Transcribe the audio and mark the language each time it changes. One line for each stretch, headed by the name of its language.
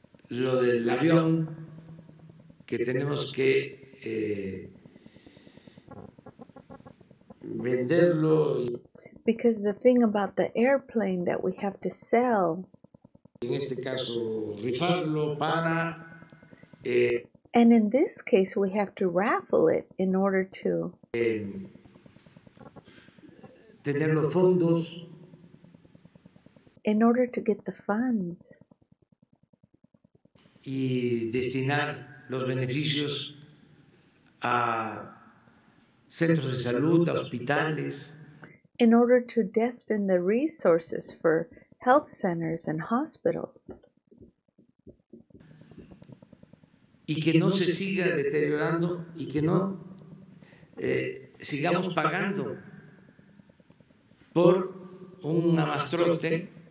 Spanish: Lo del avión que tenemos que venderlo.
English: Because the thing about the airplane that we have to sell,
Spanish: en este caso, rifarlo para,
English: and in this case we have to raffle it in order to
Spanish: tener los fondos,
English: in order to get the funds,
Spanish: y destinar los beneficios a centros de salud, a hospitales,
English: in order to destine the resources for health centers and hospitals.
Spanish: Y que no se siga deteriorando y que no sigamos pagando por un amastrote.